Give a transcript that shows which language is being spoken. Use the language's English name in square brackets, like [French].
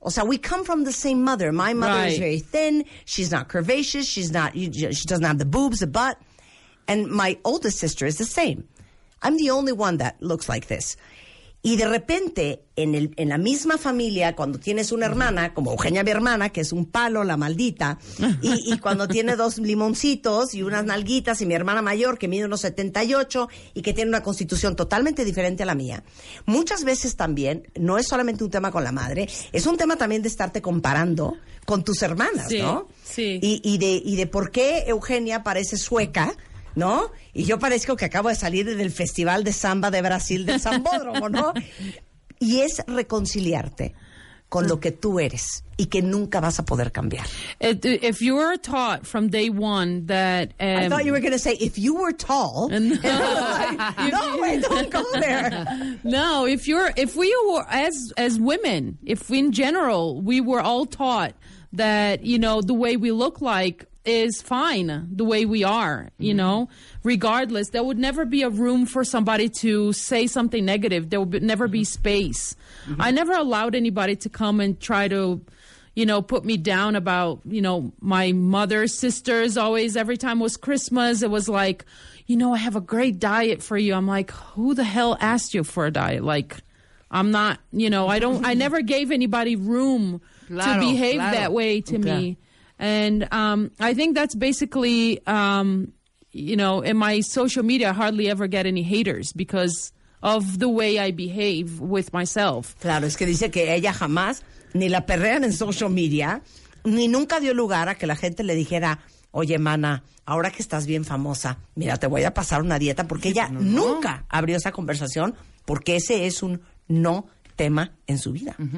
[Spanish] O sea, [English] we come from the same mother. My mother is very thin. She's not curvaceous. She's not. She doesn't have the boobs, the butt. And my oldest sister is the same. I'm the only one that looks like this. [Spanish] Y de repente, en la misma familia, cuando tienes una hermana, como Eugenia, mi hermana, que es un palo, la maldita, y cuando tiene dos limoncitos y unas nalguitas, y mi hermana mayor, que mide unos 78 y que tiene una constitución totalmente diferente a la mía, muchas veces también, no es solamente un tema con la madre, es un tema también de estarte comparando con tus hermanas, sí, ¿no? Sí. Y de por qué Eugenia parece sueca, ¿no? Y yo parezco que acabo de salir del Festival de Samba de Brasil del Sambódromo, ¿no? Y es reconciliarte con lo que tú eres y que nunca vas a poder cambiar. [English] If you were taught from day one that... I thought you were going to say, if you were tall... No, don't go there. No, if we were, as women, if in general, we were all taught that, you know, the way we look like is fine the way we are, you know, regardless. There would never be a room for somebody to say something negative. There would never be space. Mm-hmm. I never allowed anybody to come and try to, you know, put me down about, you know, my mother's sisters always, every time was Christmas, it was like, you know, I have a great diet for you. I'm like, who the hell asked you for a diet? Like, I'm not, you know, I don't, I never gave anybody room to behave that way to me. And I think that's basically, you know, in my social media, I hardly ever get any haters because of the way I behave with myself. [Spanish] Claro, es que dice que ella jamás ni la perrean en [English] social media, [Spanish] ni nunca dio lugar a que la gente le dijera, oye, mana, ahora que estás bien famosa, mira, te voy a pasar una dieta, porque ella nunca abrió esa conversación, porque ese es un no tema en su vida.